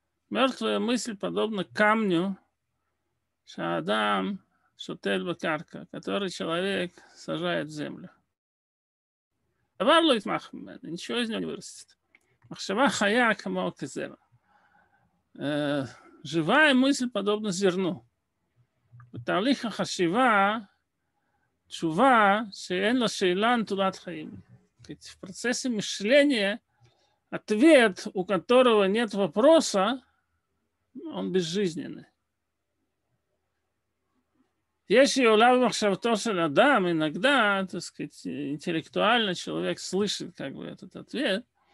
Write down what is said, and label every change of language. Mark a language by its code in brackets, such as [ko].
[ru] Мертвая мысль подобна камню, [he] шаадам, שוטל בקרקע, [ru] который человек сажает в землю. [he] דבר לא יתמח ממנו, [ru] ничего из него не вырастет. [he] מחשבה חיה כמו כזרע. [ru] Живая мысль подобна зерну. [he] בתהליך החשיבה, תשובה שאין לה שאלה נטולת חיים. [ru] В процессе мышления ответ, у которого нет вопроса, он безжизненный. Если [he] улав махшавто шель адам, [ru] иногда, так сказать, интеллектуально человек слышит как бы этот ответ,